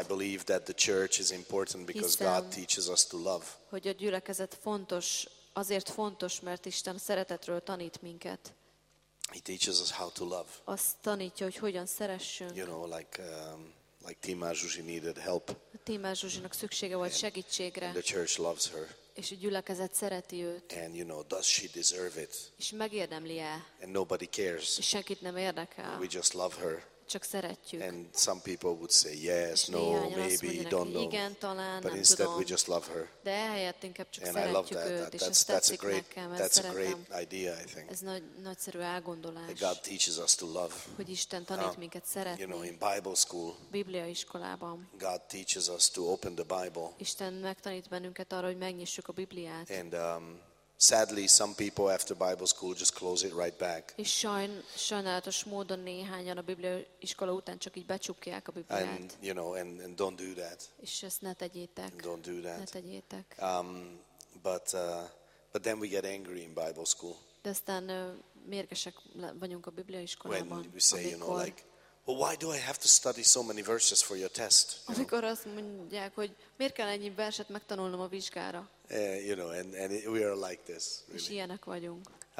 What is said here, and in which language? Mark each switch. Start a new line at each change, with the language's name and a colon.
English: I believe that the church is important because God teaches us to love.
Hungarian: Hogy a gyülekezet fontos. Azért fontos, mert Isten szeretetről tanít minket.
English: He teaches us how to love.
Hungarian: Azt tanítja, hogy hogyan szeressünk.
English: You know, like Tímár Zsuzsi needed help.
Hungarian: Tímár Zsuzsinak szüksége volt segítségre.
English: And the church loves her.
Hungarian: És a gyülekezet szereti őt.
English: And you know, does she deserve it?
Hungarian: És megérdemli-e?
English: And nobody cares.
Hungarian: És senkit nem érdekel.
English: We just love her.
Hungarian: Csak szeretjük.
English: And some people would say yes, no, maybe,
Hungarian: mondja,
English: don't know.
Hungarian: Igen, talán,
English: but instead
Hungarian: tudom.
English: We just love her.
Hungarian: De helyett inkább csak szeretjük őt, és
English: that's a great,
Hungarian: nekem,
English: that's
Hungarian: szeretem.
English: A great idea, I think.
Hungarian: Ez nagyszerű elgondolás.
English: That God teaches us to love.
Hungarian: Hogy Isten tanít minket szeretni.
English: You know, in Bible school.
Hungarian: Biblia iskolában.
English: God teaches us to open the Bible.
Hungarian: Isten megtanít bennünket arra, hogy megnyissuk a Bibliát.
English: And sadly, some people after Bible school just close it right back.
Hungarian: És sajnálatos módon néhányan a Biblia iskola után csak így becsukják a Bibliát.
English: And you know, and don't do that.
Hungarian: És ezt ne tegyétek.
English: And don't do that.
Hungarian: Ne tegyétek.
English: But then we get angry in Bible school.
Hungarian: De aztán mérgesek vagyunk a Biblia iskolában.
English: When we say, you know, like, Why do I have to study so many verses for your test?
Hungarian: Amikor azt mondják, hogy miért kell ennyi verset megtanulnom a vizsgára?
English: You know, and we are like this.
Hungarian: És ilyenek vagyunk.